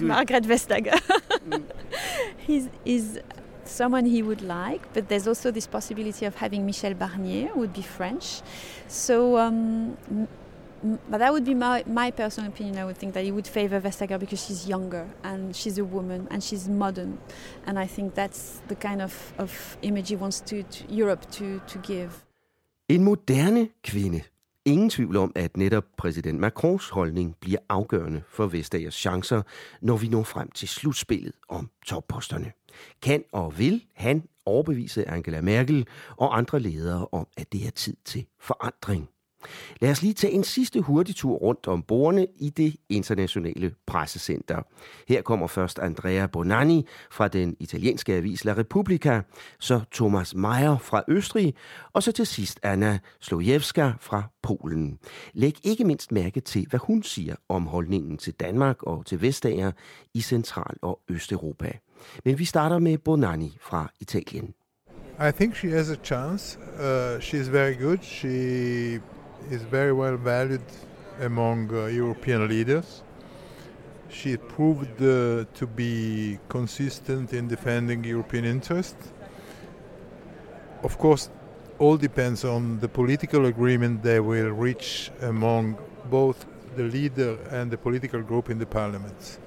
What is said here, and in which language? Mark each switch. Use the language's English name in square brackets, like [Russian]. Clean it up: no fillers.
[English] Margaret Vestager. He's someone he would like, but there's also this possibility of having Michel Barnier, who would be French. So, but that would be my personal opinion. I would think that he would favor Vestager because she's younger and she's a woman and she's modern. And I think that's the kind of image he wants Europe to give. [Danish] En moderne kvinde. Ingen tvivl om, at netop præsident Macrons holdning bliver afgørende for Vestagers chancer, når vi når frem til slutspillet om topposterne. Kan og vil han overbevise Angela Merkel og andre ledere om, at det er tid til forandring? Lad os lige tage en sidste hurtig tur rundt om bordene i det internationale pressecenter. Her kommer først Andrea Bonanni fra den italienske avis La Repubblica, så Thomas Meyer fra Østrig, og så til sidst Anna Slojewska fra Polen. Læg ikke mindst mærke til, hvad hun siger om holdningen til Danmark og til Vestager i Central- og Østeuropa. Men vi starter med Bonanni fra Italien. [English] I think she has a chance. She is very good. She is very well valued among European leaders. She proved to be consistent in defending European interests. Of course, all depends on the political agreement they will reach among both the leader and the political group in the parliament.